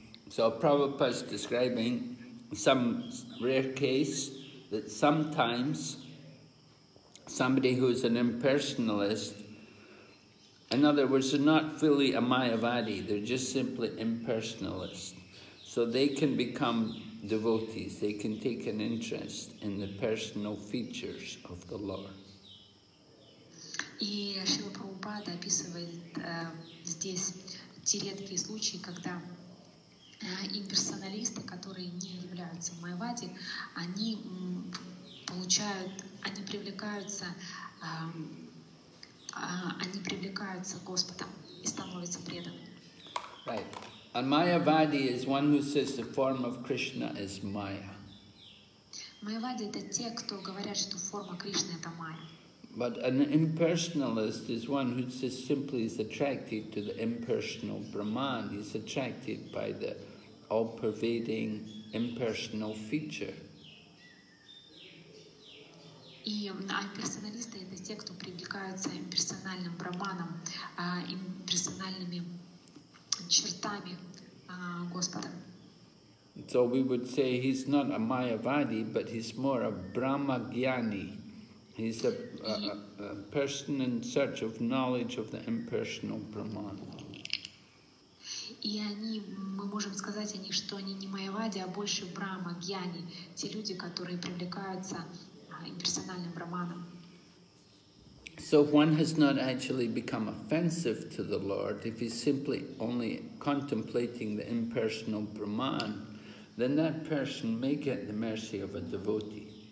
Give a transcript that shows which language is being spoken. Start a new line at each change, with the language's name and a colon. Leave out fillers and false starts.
English: So Prabhupada's describing some rare case that sometimes somebody who is an impersonalist, in other words, they're not fully a mayavadi, they're just simply impersonalist. So they can become devotees, they can take an interest in the personal features of the Lord.
Russian: И Шрила Прабхупада описывает здесь те редкие случаи, когда Имперсоналисты, которые не являются майявади, они получают, они привлекаются к Господу и становятся преданными.
English: Right. A Mayavadi is one who says the form of Krishna is Maya.
Russian: Mayavadi — это те, кто говорят, что форма Кришны — это Майя.
English: But an impersonalist is one who just simply is attracted to the impersonal Brahman. He's attracted by the all-pervading impersonal feature.
Russian: И имперсоналисты — это те, кто привлекаются имперсональным Брахманом, имперсональными чертами Господа.
English: So we would say he's not a Mayavadi, but he's more a Brahmagyani. He's a person in search of knowledge of the impersonal Brahman.
Russian: И они, мы можем сказать о них, что они не Майявади, а больше Брахма, Гьяни, те люди, которые привлекаются имперсональным Брахманом.
English: So one has not actually become offensive to the Lord if he's simply only contemplating the impersonal Brahman, then that person may get the mercy of a devotee.